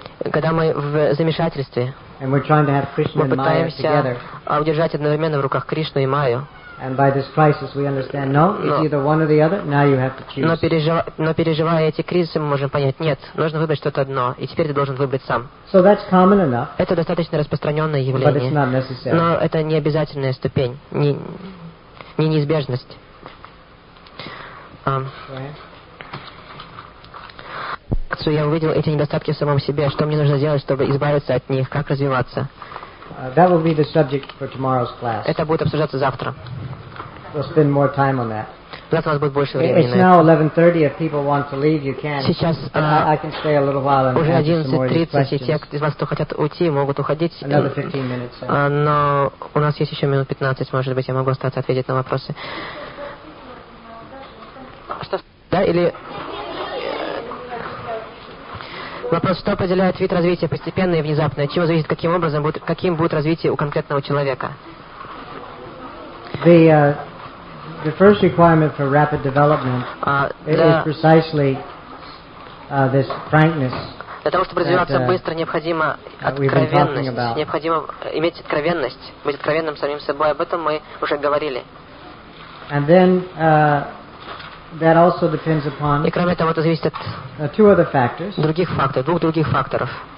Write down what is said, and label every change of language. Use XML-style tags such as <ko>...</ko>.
<ru>когда мы в замешательстве, мы пытаемся удержать одновременно в руках Кришну и Майю.</ru> <en>And by this crisis we understand, no, it's either one or the other, now you have to choose.</en> <ru>Но переживая эти кризисы, мы можем понять, нет, нужно выбрать что-то одно, и теперь ты должен выбрать сам.</ru> <en>So that's common enough.</en> <ru>Это достаточно распространенное явление.</ru> <en>But it's not necessary.</en> <ru>Но это не обязательная ступень, не неизбежность. Я увидел эти недостатки в самом себе, что мне нужно сделать, чтобы избавиться от них, как развиваться.</ru> <en>That will be the subject for tomorrow's class.</en> <ru>Это будет обсуждаться завтра.</ru> <en>We'll spend more time on that.</en> <ru>Завтра у нас будет больше времени.</ru> <en>It's now 11:30. If people want to leave, you can.</en> <ru>Сейчас</ru> <en>I can stay a little while and</en> <ru>уже 11:30, и те из вас, кто хотят уйти, могут уходить.</ru> <en>Another 15 minutes.</en> <ru>Но у нас есть еще минут 15, может быть, я могу остаться ответить на вопросы. Что? Да или? Вопрос, что определяет вид развития постепенное и внезапное? Чего зависит, каким образом будет, каким будет развитие у конкретного человека?</ru> <en>The first requirement for rapid development is precisely this frankness.</en> <ru>Для того, чтобы развиваться быстро, необходимо откровенность. Необходимо иметь откровенность, быть откровенным самим собой. Об этом мы уже говорили.</ru> <en>And then, That also depends upon</en> <ru>И кроме того, это зависит от</ru> <en>two other factors.</en> <ru>Других факторов, двух других факторов.</ru>